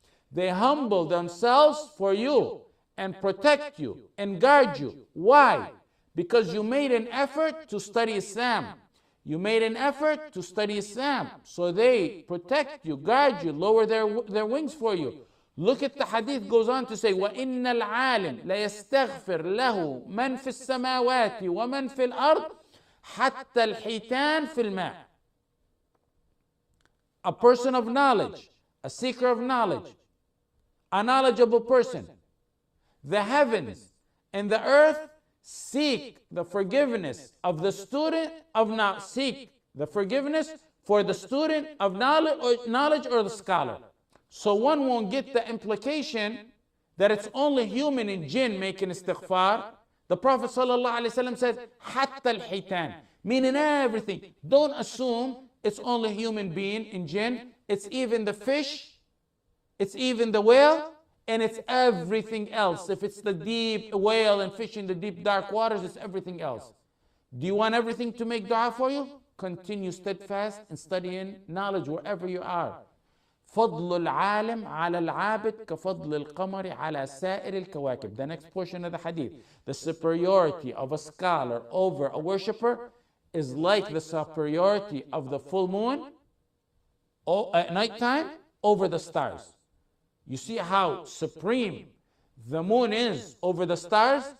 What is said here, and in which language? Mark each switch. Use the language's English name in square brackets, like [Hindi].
[English] They humble themselves for you and protect you and guard you. Why? Because you made an effort to study Islam. You made an effort to study Islam. So they protect you, guard you, lower their wings for you. Look at the hadith goes on to say, [Arabic] وَإِنَّ الْعَالِمْ لَيَسْتَغْفِرْ لَهُ مَنْ فِي السَّمَاوَاتِ وَمَنْ فِي الْأَرْضِ حَتَّى الْحِيْتَانِ فِي الْمَاءِ. [English] A person of knowledge, a seeker of knowledge, a knowledgeable person, the heavens and the earth seek the forgiveness of the student of knowledge. Seek the forgiveness for the student of knowledge or the scholar. So one won't get the implication that it's only human and jinn making istighfar. The Prophet ﷺ said, [Arabic] حَتَّى الْحِيْتَانِ, [English] meaning everything. Don't assume it's only human being and jinn. It's even the fish. It's even the whale, and it's everything else. If it's the deep whale and fish in the deep dark waters, it's everything else. Do you want everything to make dua for you? Continue steadfast in studying knowledge wherever you are. [Arabic] فضل العالم على العابد كفضل القمر على سائر الكواكب. [English] The next portion of the hadith. The superiority of a scholar over a worshipper is like the superiority of the full moon at nighttime over the stars. You see how supreme the moon is over the stars?